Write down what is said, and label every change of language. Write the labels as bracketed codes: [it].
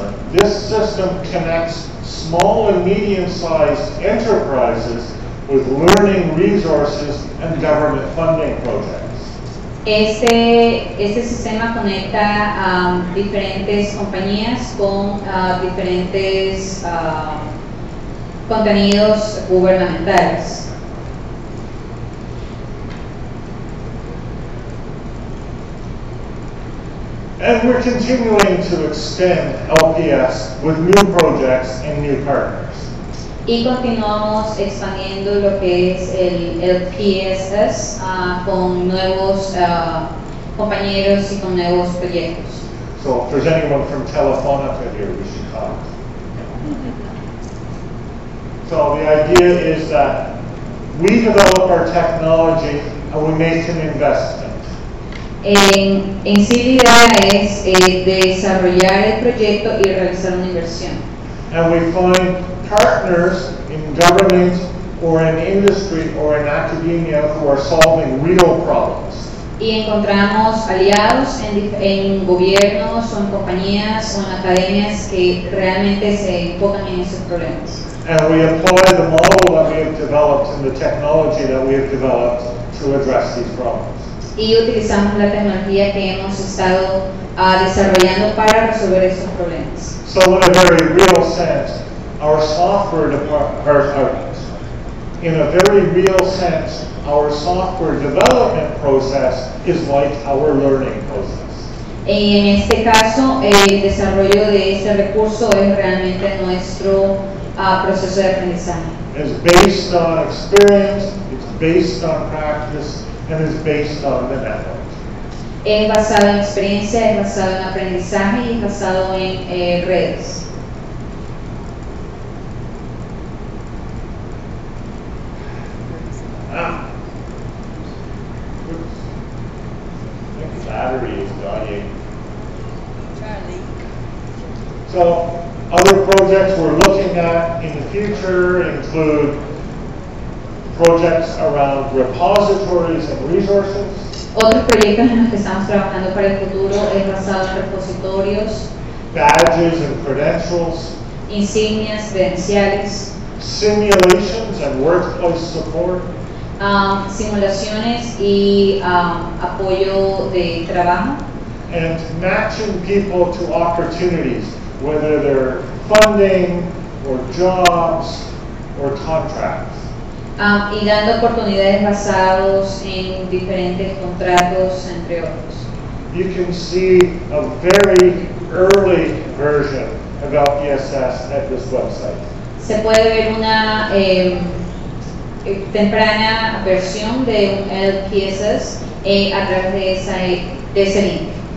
[en] This system connects small and medium-sized enterprises with learning resources and government funding projects. [es] Este sistema conecta a diferentes compañías con diferentes contenidos gubernamentales. [en] And we're continuing to extend LPS with new projects and new partners. [es] Y continuamos expandiendo lo que es el LPSS con nuevos compañeros y con nuevos proyectos. [en] So if there's anyone from Telefonica here, we should talk. So the idea is that we develop our technology and we make an investment. [es] En sí la idea es desarrollar el proyecto y realizar una inversión. [en] And we find partners in government or in industry or in academia who are solving real problems. [es] Y encontramos aliados en gobiernos o en compañías o en academias que realmente se enfocan en esos problemas. [en] And we apply the model that we have developed and the technology that we have developed to address these problems. [es] Y utilizamos la tecnología que hemos estado desarrollando para resolver estos problemas. [en] So in a very real sense, our software department, in a very real sense, our software development process is like our learning process. [es] En este caso, el desarrollo de este recurso es realmente nuestro proceso de aprendizaje. [en] It's based on experience, it's based on practice, and is based on the network. [es] Es basado en experiencia, es basado en aprendizaje y basado en redes. [en] I think the battery is dying. Charlie. So, other projects we're looking at in the future include projects around repositories and resources. [es] Otros proyectos en los que estamos trabajando para el futuro es basado en repositorios. [en] Badges and credentials. [es] Insignias, credenciales. [en] Simulations and workplace support. [es] Simulaciones y apoyo de trabajo. [en] And matching people to opportunities, whether they're funding or jobs or contracts. [es] Y dando oportunidades basados en diferentes contratos, entre otros. [en] You can see a very early version of LPSS at this website. [es] Se puede ver una temprana versión de LPSS a través de ese link.